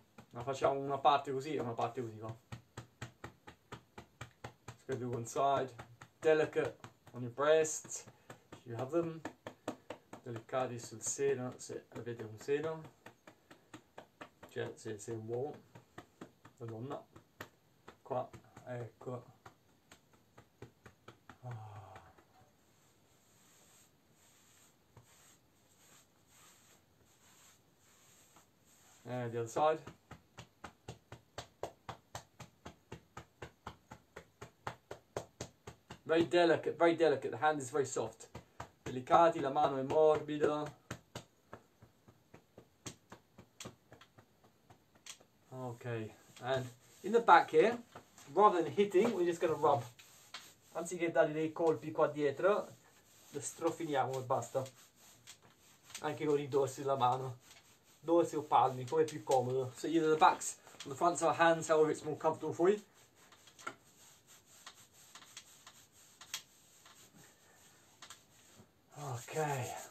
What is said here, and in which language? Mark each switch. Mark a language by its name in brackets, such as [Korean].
[Italian] Ma facciamo una parte così e una parte così, va. [English] Let's go do one side. Delicate on your breast, if you have them. [Italian] Delicati sul seno, se avete un seno. Cioè, se un uomo, la donna, qua, ecco. [English] The other side. Very delicate, the hand is very soft. [Italian] Delicati, la mano è morbida. [English] Okay, and in the back here, rather than hitting, we're just gonna rub. [Italian] Anziché dare dei colpi qua dietro, lo strofiniamo e basta. Anche con i dorsi della mano. Dorsi o palmi, come è più comodo. [English] So either the backs, or the fronts of our hands, however it's more comfortable for you. Okay.